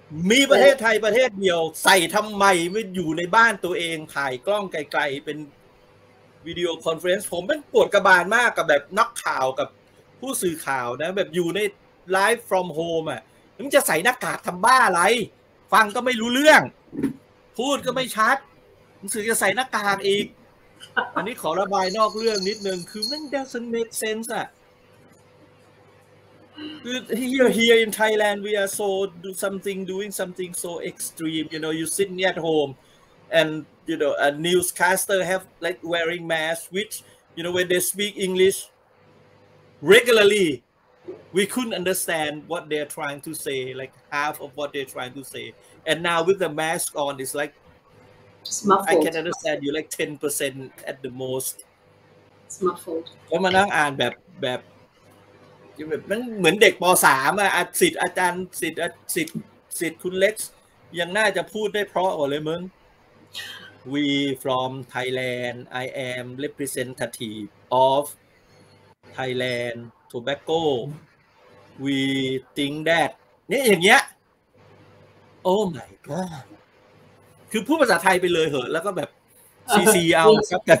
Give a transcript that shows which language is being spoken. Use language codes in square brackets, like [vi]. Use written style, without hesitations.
[th] มีประเทศไทยประเทศเดียวใส่ทำไมไม่อยู่ในบ้านตัวเองถ่ายกล้องไกลๆเป็นวิดีโอคอนเฟรนซ์ผมเป็นปวดกระบาลมากกับแบบนักข่าวกับผู้สื่อข่าวนะแบบอยู่ในไลฟ์ [en] from home [th] อ่ะมึงจะใส่หน้ากากทำบ้าอะไรฟังก็ไม่รู้เรื่อง พูดก็ไม่ชัดมึงสื่อจะใส่หน้ากากอีกอันนี้ขอระบายนอกเรื่องนิดนึงคือมัน [en] doesn't make sense [th] อ่ะ [en] Here in Thailand, we are so doing something so extreme. You know, you sitting at home, and you know, a newscaster have like wearing masks, which you know, when they speak English regularly, we couldn't understand what they're trying to say, like half of what they're trying to say. And now with the mask on, it's like I can understand you like 10% at the most. Smartphone. I'm reading like. [th] มันเหมือนเด็กป.3 อ่ะอาศิษย์อาจารย์ศิษย์คุณเล็กยังน่าจะพูดได้เพราะกว่าเลยมึง [en] We from Thailand I am representative of Thailand Tobacco We think that [th] นี่อย่างเงี้ย [en] Oh my god [th] คือพูดภาษาไทยไปเลยเหอะแล้วก็แบบ CC เอาครับ